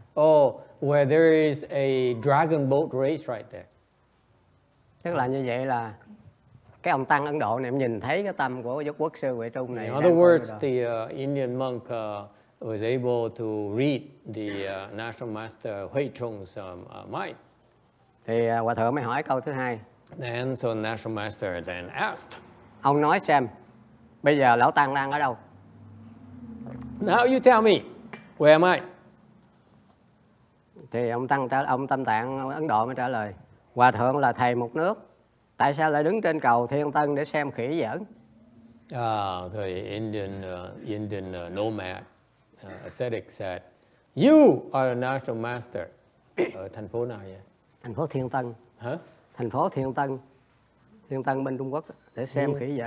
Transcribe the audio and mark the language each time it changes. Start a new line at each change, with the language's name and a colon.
English: Oh, where there is a dragon boat race right there.
Vietnamese: Tức là như vậy là cái ông tăng Ấn Độ này em nhìn thấy cái tâm của Dục Quốc Sư Huệ Trung này.
English: In other words, the Indian monk was able to read the national master Huệ Trung's mind.
Vietnamese: Thì hòa thượng mới hỏi câu thứ hai.
English: Then so national master then asked.
Vietnamese: Ông nói xem bây giờ lão tăng đang ở đâu?
English: Now you tell me, where am I?
Vietnamese: Thì ông Tâm Tạng Ấn Độ mới trả lời. Hòa thượng là thầy một nước, tại sao lại đứng trên cầu Thiên Tân để xem khỉ giỡn?
English: The Indian nomad ascetic said, you are a national master.
Vietnamese: Ở thành phố nào vậy? Thành phố Thiên Tân. Hả? Thành phố Thiên Tân. Thiên Tân bên Trung Quốc để xem khỉ giỡn.